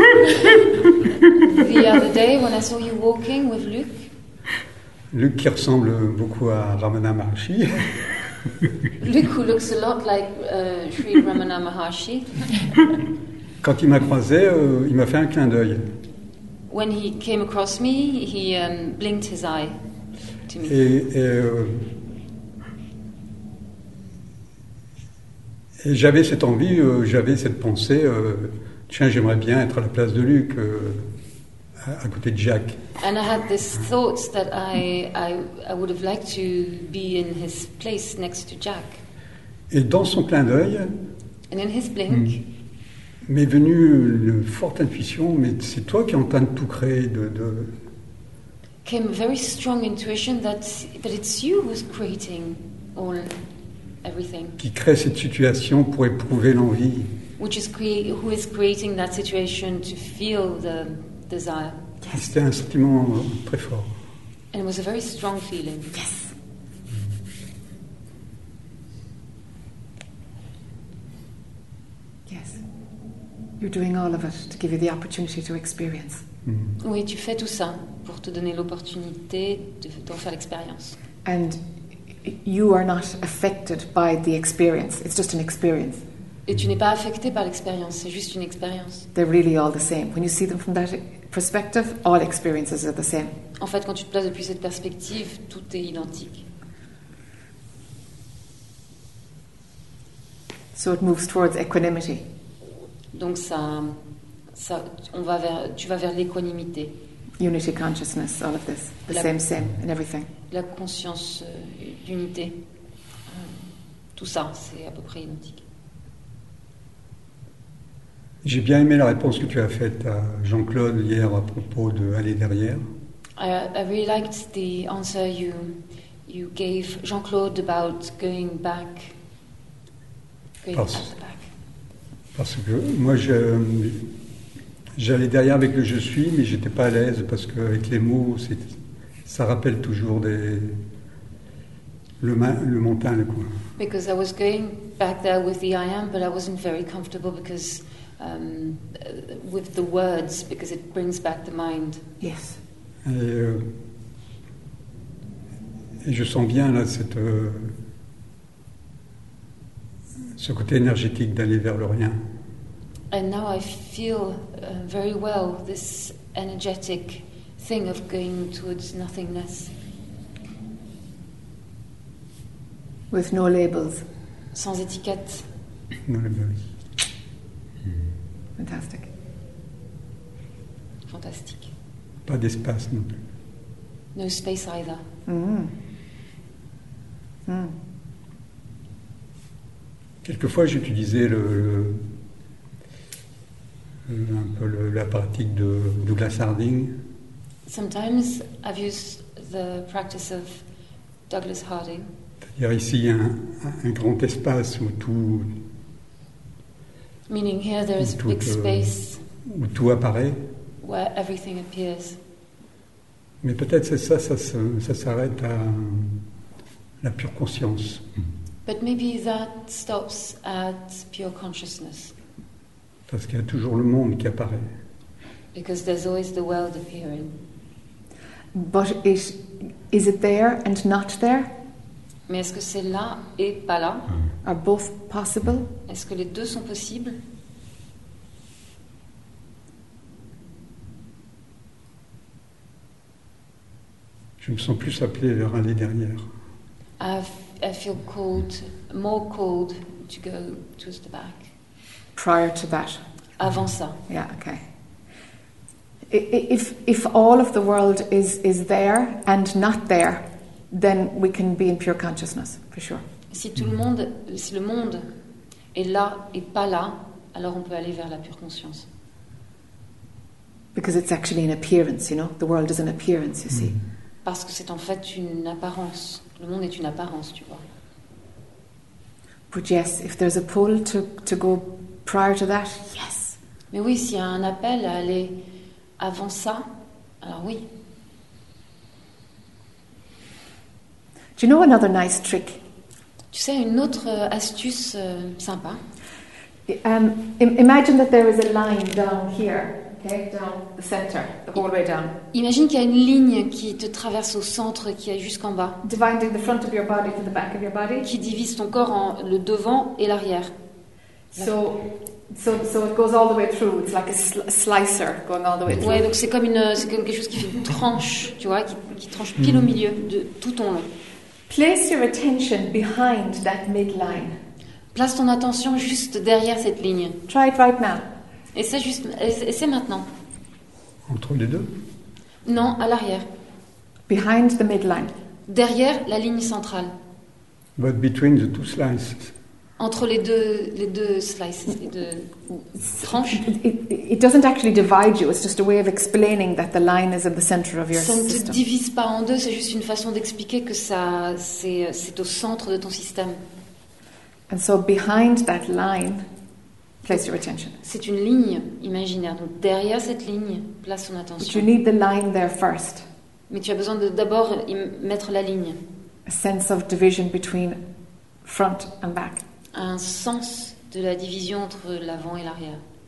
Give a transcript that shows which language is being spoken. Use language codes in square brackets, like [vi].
[en] The other day when I saw you walking with Luke. [fr] Luke qui ressemble beaucoup à Ramana Maharshi. [en] Luke who looks a lot like Sri Ramana Maharshi. [fr] Quand il m'a croisé, il m'a fait un clin d'œil. [en] When he came across me, he blinked his eye to me. [fr] Et j'avais cette envie, j'avais cette pensée. Tiens, j'aimerais bien être à la place de Luc, à côté de Jack. [en] And I had this thought that I would have liked to be in his place next to Jack. [fr] Et dans son clin d'œil. [en] And in his blink. [fr] M'est venue une forte intuition, mais c'est toi qui es en train de tout créer. [en] Came a very strong intuition that it's you who's creating all everything. [fr] Qui crée cette situation pour éprouver l'envie. [en] Which is who is creating that situation to feel the desire. Yes. [fr] C'était un sentiment très fort. [en] And it was a very strong feeling. Yes. Yes. You're doing all of it to give you the opportunity to experience. Mm. [fr] Oui, tu fais tout ça pour te donner l'opportunité d'en faire l'expérience. [en] And you are not affected by the experience. It's just an experience. [fr] Et tu n'es pas affecté par l'expérience, c'est juste une expérience. [en] They're really all the same. When you see them from that perspective, all experiences are the same. [fr] En fait, quand tu te places depuis cette perspective, tout est identique. [en] So it moves towards equanimity. [fr] Donc ça on va vers l'équanimité. [en] Unity consciousness, all of this, the same and everything. [fr] La conscience d'unité, tout ça, c'est à peu près identique. J'ai bien aimé la réponse que tu as faite à Jean-Claude hier à propos de aller derrière. [en] I really liked the answer you gave Jean-Claude about going back. [fr] Parce que moi j'allais derrière avec le je suis, mais j'étais pas à l'aise parce que avec les mots ça rappelle toujours le mental quoi. [en] Because I was going back there with the I am, but I wasn't very comfortable because with the words, because it brings back the mind. Yes. [fr] Et je sens bien là ce côté énergétique d'aller vers le rien. [en] And now I feel very well this energetic thing of going towards nothingness. With no labels. [fr] Sans étiquette. [en] No labels. [fr] Fantastique. Pas d'espace non plus. [en] No space either. [fr] Quelquefois j'utilisais un peu la pratique de Douglas Harding. [en] Sometimes I've used the practice of Douglas Harding. [fr] C'est-à-dire ici un grand espace où tout. [en] Meaning here there is a big space [fr] où tout apparaît. [en] Where everything appears. [fr] Mais peut-être c'est ça s'arrête à la pure conscience. [en] But maybe that stops at pure consciousness. [fr] Parce qu'il y a toujours le monde qui apparaît. [en] Because there's always the world appearing. But is it there and not there? [fr] Mais est-ce que c'est là et pas là? [en] Are both possible? [fr] Est-ce que les deux sont possibles? Je me sens plus appelé vers aller derrière. [en] I feel called, more called to go to the back. Prior to that. [fr] Avant ça. [en] Yeah, okay. If all of the world is there and not there, then we can be in pure consciousness, for sure. [fr] Si le monde est là et pas là, alors on peut aller vers la pure conscience. [en] Because it's actually an appearance, you know? The world is an appearance, you see. [fr] Parce que c'est en fait une apparence. Le monde est une apparence, tu vois. [en] But yes, if there's a pull to go prior to that, yes. [fr] Mais oui, s'il y a un appel à aller avant ça, alors oui. [en] Do you know another nice trick? [fr] Tu sais une autre astuce sympa? [en] Imagine that there is a line down here, okay, down the center, the whole way down. [fr] Imagine qu'il y a une ligne qui te traverse au centre, qui est jusqu'en bas. [en] Dividing the front of your body to the back of your body. [fr] Qui divise ton corps en le devant et l'arrière. [en] So it goes all the way through. It's like a slicer going all the way through. [fr] Ouais, donc c'est comme quelque chose qui fait une tranche, tu vois, qui tranche pile au milieu de tout ton long. [en] Place your attention behind that midline. [fr] Place ton attention juste derrière cette ligne. [en] Try it right now. [fr] Essaie maintenant. Entre les deux? Non, à l'arrière. [en] Behind the midline. [fr] Derrière la ligne centrale. [en] But between the two slices. [fr] Entre les deux slices, les deux tranches. [en] It doesn't actually divide you. It's just a way of explaining that the line is in the center of your system. [fr] Ça ne te divise pas en deux. C'est juste une façon d'expliquer que ça c'est au centre de ton système. [en] And so behind that line, place your attention. [fr] C'est une ligne imaginaire. Donc derrière cette ligne, place ton attention. [en] But you need the line there first. [fr] Mais tu as besoin de d'abord mettre la ligne. [en] A sense of division between front and back. [fr] Un sens de la division entre l'avant et l'arrière.